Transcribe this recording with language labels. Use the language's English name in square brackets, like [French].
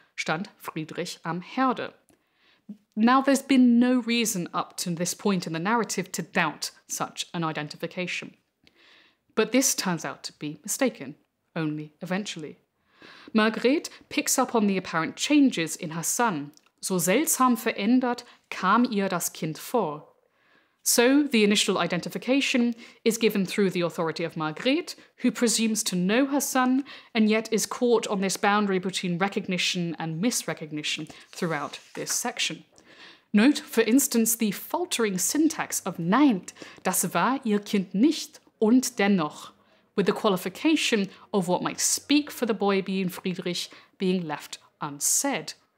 [German] Stand Friedrich am Herde. [English] Now, there's been no reason up to this point in the narrative to doubt such an identification. But this turns out to be mistaken, only eventually. Margrethe picks up on the apparent changes in her son. [German] So seltsam verändert kam ihr das Kind vor. [English] So the initial identification is given through the authority of Margrethe, who presumes to know her son and yet is caught on this boundary between recognition and misrecognition throughout this section. Note, for instance, the faltering syntax of [German] Nein, das war ihr Kind nicht und dennoch, [English] with the qualification of what might speak for the boy being Friedrich being left unsaid.